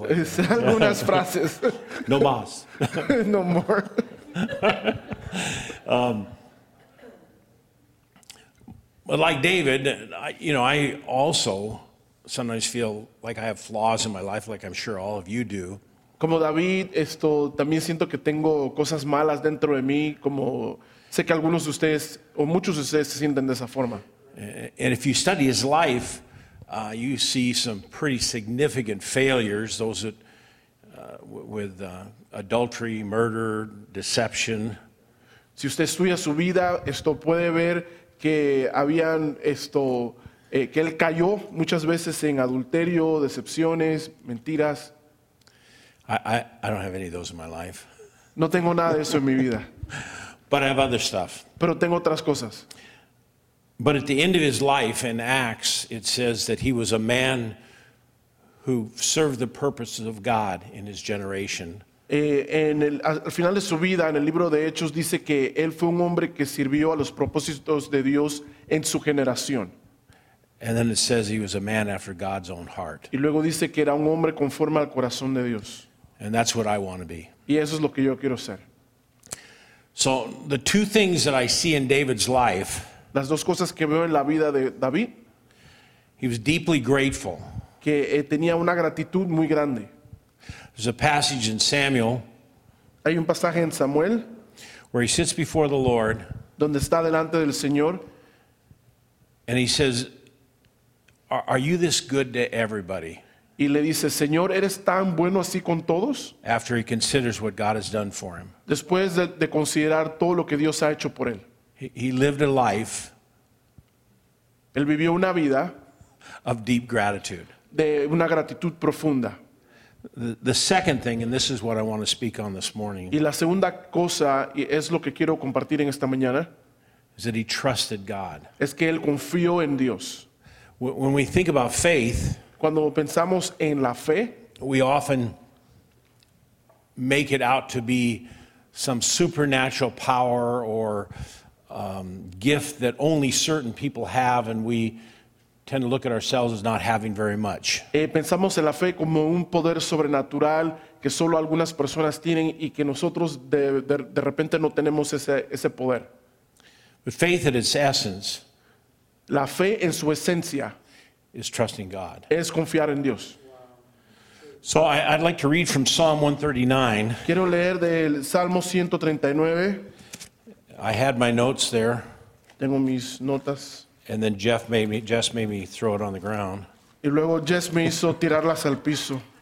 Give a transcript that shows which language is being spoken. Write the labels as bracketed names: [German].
[Spanish] Like algunas frases. No más. [English] No more. But like David, I also sometimes feel like I have flaws in my life, like I'm sure all of you do. [Spanish] Como David, esto también siento que tengo cosas malas dentro de mí, como sé que algunos de ustedes o muchos de ustedes se sienten de esa forma. [English] And if you study his life, you see some pretty significant failures. Those that with adultery, murder, deception. [Spanish] Si usted estudia su vida, esto puede ver que habían esto. Que él cayó muchas veces en adulterio, decepciones, mentiras. [English] I don't have any of those in my life. [Spanish] No tengo nada de eso en mi vida. [English] But I have other stuff. [Spanish] Pero tengo otras cosas. [English] But at the end of his life in Acts, it says that he was a man who served the purposes of God in his generation. [Spanish] Al final de su vida, en el libro de Hechos, dice que él fue un hombre que sirvió a los propósitos de Dios en su generación. [English] And then it says he was a man after God's own heart. [Spanish] Y luego dice que era un hombre conforme al corazón de Dios. [English] And that's what I want to be. [Spanish] Y eso es lo que yo quiero ser. [English] So the two things that I see in David's life. [Spanish] Las dos cosas que veo en la vida de David. [English] He was deeply grateful. [Spanish] Que tenía una gratitud muy grande. [English] There's a passage in Samuel. [Spanish] Hay un pasaje en Samuel. [English] Where he sits before the Lord. [Spanish] Donde está delante del Señor. [English] And he says, are you this good to everybody? [Spanish] Y le dice, Señor, ¿eres tan bueno así con todos? [English] After he considers what God has done for him. [Spanish] Después de considerar todo lo que Dios ha hecho por él. [English] He lived a life. [Spanish] Él vivió una vida. [English] Of deep gratitude. [Spanish] De una gratitud profunda. [English] The second thing, and this is what I want to speak on this morning. [Spanish] Y la segunda cosa, y es lo que quiero compartir en esta mañana. [English] Is that he trusted God. [Spanish] Es que él confió en Dios. [English] When we think about faith. [Spanish] Cuando pensamos en la fe, [English] we often make it out to be some supernatural power or gift that only certain people have, and we tend to look at ourselves as not having very much. [Spanish] Pensamos en la fe como un poder sobrenatural que solo algunas personas tienen y que nosotros de repente no tenemos ese poder. [English] But faith at its essence, [Spanish] la fe en su esencia, [English] is trusting God. [Spanish] Es confiar en Dios. [English] So I'd like to read from Psalm 139. [Spanish] Quiero leer del Salmo 139. [English] I had my notes there. [Spanish] Tengo mis notas. [English] And then Jess made me throw it on the ground. [Spanish] Y luego Jess me hizo tirarlas al piso.